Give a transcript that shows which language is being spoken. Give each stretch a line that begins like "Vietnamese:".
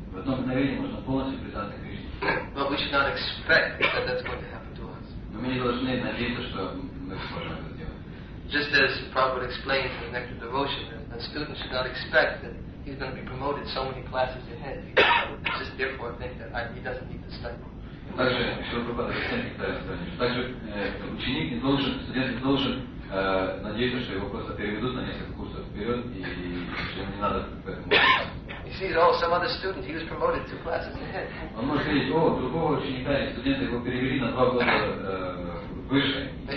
Russian: В одно мгновение можно полностью предаться Кришне.
English: But we should not expect that that's going to happen to us.
Russian: Но мы не должны надеяться, что мы сможем это сделать.
English: Just as Prabhupada explains in the Nectar Devotion, a student should not expect that he's going to be promoted so many classes ahead. Just therefore think that he doesn't need to study.
Russian: Также, ученик не должен, студент не должен надеяться, что его просто переведут на несколько курсов вперед, и что ему не надо в этом учиться. Он может видеть, о, другого ученика или студента его перевели на два года выше.